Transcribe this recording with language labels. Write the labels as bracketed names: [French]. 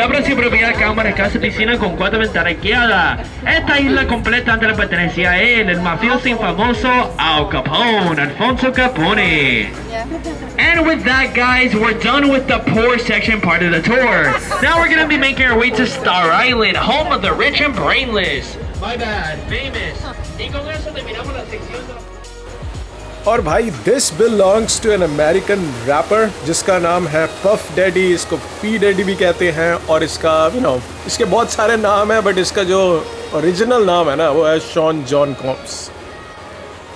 [Spanish] La próxima propiedad que vamos a rescatar es piscina con 4 ventanas arqueadas. Esta isla completa antes le pertenecía a él, el mafioso y famoso Al Capone, Alfonso Capone. [English] And with that, guys, we're done with the poor section part of the tour. Now we're going to be making our way to Star Island, home of the rich and brainless. My bad, famous. [Spanish] Y con eso terminamos la sección de... [Hindi] और भाई [English] this belongs to an American rapper [Hindi] जिसका नाम है puff daddy, इसको P daddy भी कहते हैं और इसका [English] you know [Hindi] इसके बहुत सारे नाम हैं बट इसका जो ओरिजिनल नाम है ना वो है शॉन जॉन कॉम्स।